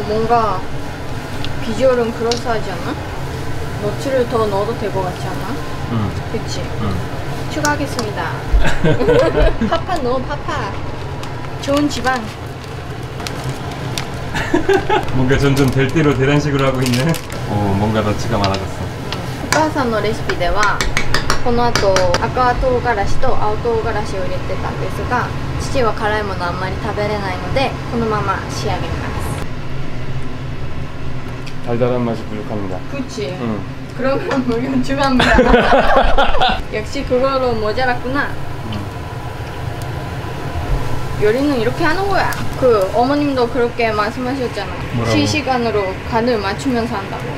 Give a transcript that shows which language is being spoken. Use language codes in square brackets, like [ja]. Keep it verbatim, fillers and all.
[ko] 오, 뭔가 비주얼은 그럴싸하지 않아? 너츠를 더 넣어도 될 것 같지 않아? 응. 그치? 응. 추가하겠습니다. 파파 넣어, 파파. 좋은 지방. 뭔가 점점 될 대로 대단식으로 하고 있네. 오, 뭔가 너츠가 많아졌어. [ja] お母さんのレシピではこの後赤唐辛子と青唐辛子を入れてたんですが、父は辛いものあんまり食べれないのでこのまま仕上げます。 [ko] 달달한맛이부족합니다。 그치 응。 그러면물건추가합니다 역시그걸로모자랐구나。 요리는 이렇게 하는 거야. 그 어머님도 그렇게 말씀하셨잖아. 뭐라고? 실시간으로 간을 맞추면서 한다고.